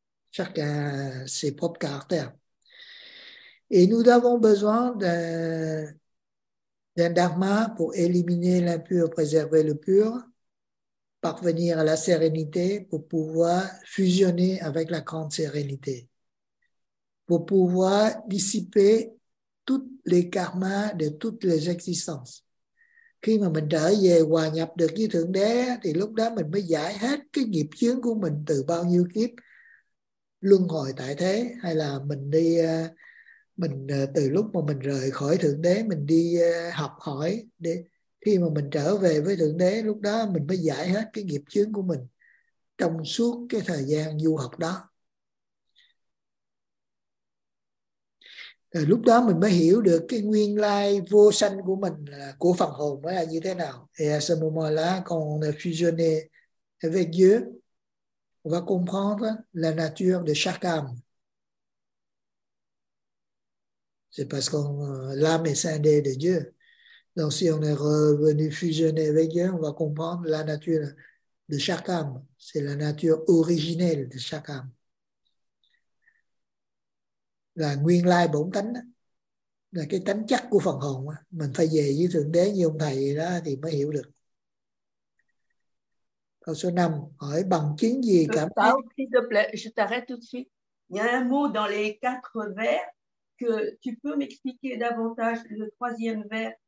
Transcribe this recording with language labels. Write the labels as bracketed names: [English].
[French] Chacun ses propres caractères. Et nous avons besoin d'un dharma pour éliminer l'impur, préserver le pur, parvenir à la sérénité pour pouvoir fusionner avec la grande sérénité, pour pouvoir dissiper tous les karmas de toutes les existences. [Vietnamese] Khi mà mình trở về hòa nhập được với Thượng Đế, thì lúc đó mình mới giải hết cái nghiệp chướng của mình từ bao nhiêu kiếp luân hồi tại thế, hay là mình đi, mình từ lúc mà mình rời khỏi Thượng Đế, mình đi học hỏi để khi mà mình trở về với Thượng Đế, lúc đó mình mới giải hết cái nghiệp chướng của mình trong suốt cái thời gian du học đó. Rồi lúc đó mình mới hiểu được cái nguyên lai vô sanh của mình, của phần hồn mới là như thế nào. [French] Et à ce moment-là, quand on a fusionné avec Dieu, on va comprendre la nature de chaque âme. C'est parce que l'âme est scindée de Dieu. Donc, si on est revenu fusionner avec Dieu, on va comprendre la nature de chaque âme. C'est la nature originelle de chaque âme. [Vietnamese] Là nguyên lai bổn tánh, là cái tánh chất của phần hồn. Mình phải về với Thượng Đế như ông thầy đó thì mới hiểu được. Câu số 5, hỏi bằng chứng gì cảm thấy... [French] S'il te plaît, je t'arrête tout de suite. Il y a un mot dans les quatre vers que tu peux m'expliquer davantage, le troisième vers.